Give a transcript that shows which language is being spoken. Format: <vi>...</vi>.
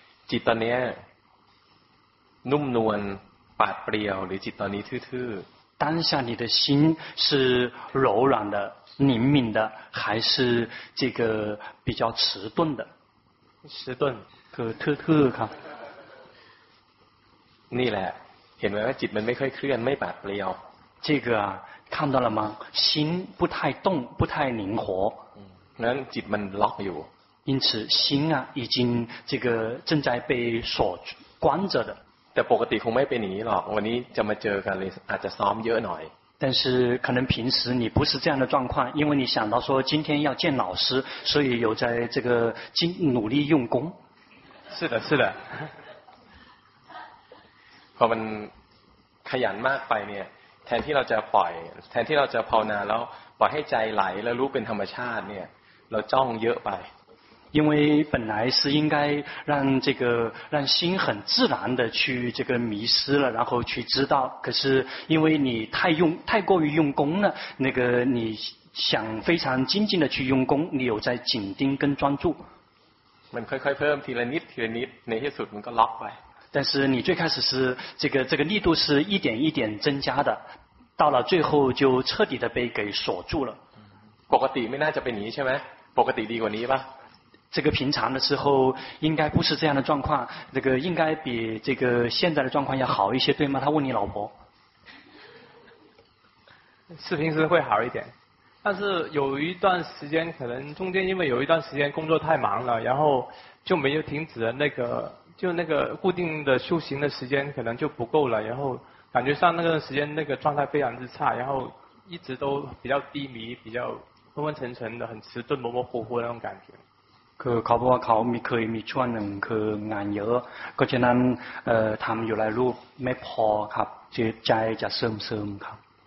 <th>จิตตอนนี้นุ่มนวลปราดเปรียวหรือจิตตอนนี้ทื่อ</th> <zh>ๆ当下你的心是柔软的灵敏的还是这个比较迟钝的迟钝</zh> <th>คือทื่อๆครับ นี่แหละเห็นไหมว่าจิตมันไม่ค่อยเคลื่อนไม่ปราดเปรียว</th> <zh>这个啊看到了吗心不太动不太灵活</zh> <th>นั้นจิตมันล็อกอยู่</th> <zh>因此心啊已经这个正在被锁关着的</zh> <th>แต่ปกติคงไม่เป็นอย่างนี้หรอกวันนี้จะมาเจอกันเลยอาจจะซ้อมเยอะหน่อย</th> <zh>但是可能平时你不是这样的状况因为你想到说今天要见老师所以有在这个努力用功是的是的</zh> <th>พอมันขยันมากไปเนี่ยแทนที่เราจะปล่อยแทนที่เราจะภาวนาแล้วปล่อยให้ใจไหลแล้วรู้เป็นธรรมชาติเนี่ยเราจ้องเยอะไป</th> <zh>因为本来是应该让这个让心很自然的去这个迷失了然后去知道可是因为你太过于用功了那个你想非常精进的去用功，你有在紧盯跟专注。</zh> <th>มันค่อยๆเพิ่มทีละนิดทีละนิดในที่สุดมันก็ล็อกไป</th> <zh>但是你最开始是这个力度是一点一点增加的，到了最后就彻底的被给锁住了。</zh> <th>ปกติไม่น่าจะเป็นนี้ใช่ไหมปกติดีกว่านี้ป่ะ</th> <zh>这个平常的时候应该不是这样的状况，这个应该比这个现在的状况要好一些，对吗？他问你老婆。是平时会好一点，但是有一段时间可能中间因为有一段时间工作太忙了，然后就没有停止了那个就那个固定的修行的时间可能就不够了，然后感觉上那个时间那个状态非常之差，然后一直都比较低迷，比较昏昏沉沉的，很迟钝，模模糊糊的那种感觉。</zh> <th>คือเขาบอกว่าเขามีเคยมีช่วงหนึ่งคืองานเยอะก็ฉะนั้นทำอยู่หลายรูปไม่พอครับจิตใจจะเสื่อมๆครับ</th>